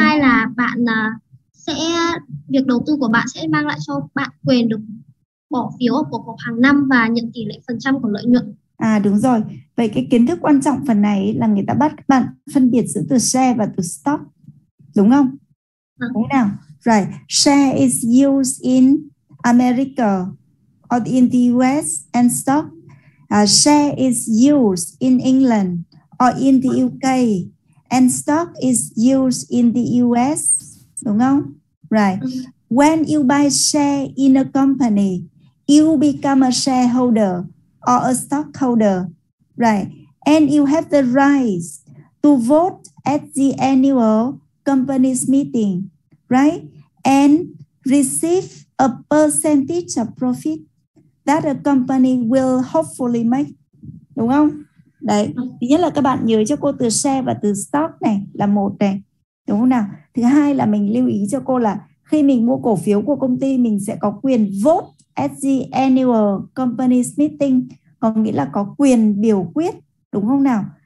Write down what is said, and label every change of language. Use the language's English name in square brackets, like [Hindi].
[Vietnamese] hai là bạn sẽ việc đầu tư của bạn sẽ mang lại cho bạn quyền được bỏ phiếu ở cuộc họp hàng năm và nhận tỷ lệ phần trăm của lợi nhuận. À đúng rồi, vậy cái kiến thức quan trọng phần này là người ta bắt các bạn phân biệt giữa từ share và từ stock. Đúng không? Đúng nào? [English] Right, share is used in America or in the US and stock. Share is used in England or in the UK. And stock is used in the US. [Vietnamese] Đúng không? [English] Right. When you buy share in a company, you become a shareholder or a stockholder. Right. And you have the right to vote at the annual company's meeting. Right. And receive a percentage of profit that a company will hopefully make. [Vietnamese] Đúng không? Đấy, thứ nhất là các bạn nhớ cho cô từ share và từ stock này là một này, đúng không nào? Thứ hai là mình lưu ý cho cô là khi mình mua cổ phiếu của công ty, mình sẽ có quyền [English] vote at the annual company's meeting, [Vietnamese] có nghĩa là có quyền biểu quyết, đúng không nào?